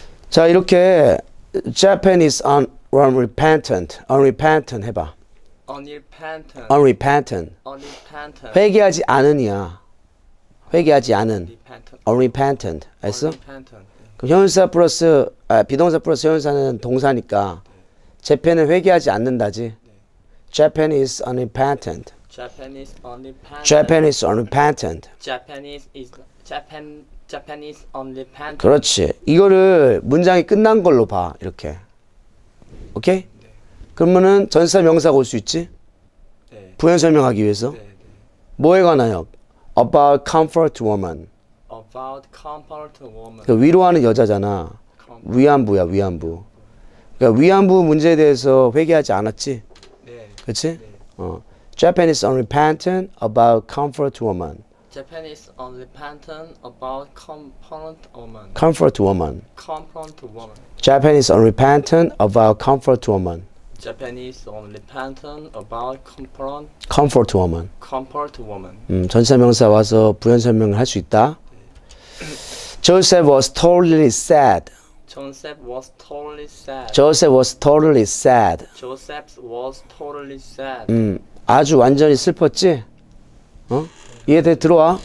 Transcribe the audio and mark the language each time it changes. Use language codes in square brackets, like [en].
[ko] 자, 이렇게 [en] Japan is unrepentant. [ko] Unrepentant 해봐. [en] Unrepentant. Unrepentant. Unrepentant. [ko] 회개하지 않은이야. 회개하지 않은. Unrepentant. 알았어? [en] Unrepentant. [ko] 그럼 형용사 플러스, 비동사 플러스 형용사는 동사니까 재팬은 회개하지 않는다지. [en] Japan is unrepentant. Japanese Japan unrepentant. is unrepentant. Japanese is Japanese unrepentant. [ko] 그렇지. 이거를 문장이 끝난 걸로 봐, 이렇게. 오케이? 그러면은 전치사 명사가 올수 있지? 부연 설명하기 위해서. 뭐에 관하여? [en] About comfort woman. About comfort woman. [ko] 그 위로하는 여자잖아. [en] Comfort [ko] 위안부야, 위안부. 그러니까 위안부 문제에 대해서 회개하지 않았지? 그렇지? 네. 어. [en] Japanese unrepentant about comfort woman. Japanese unrepentant about comfort woman. Comfort woman. Comfort woman. Japanese unrepentant about comfort woman. Japanese unrepentant about comfort. Comfort woman. Comfort woman. [ko] 전사명사 와서 부연 설명을 할 수 있다. [en] 네. Joseph was totally sad. Joseph was totally sad. Joseph was totally sad. Joseph was totally sad. [ko] 아주 완전히 슬펐지? 어? 이해돼? 들어와?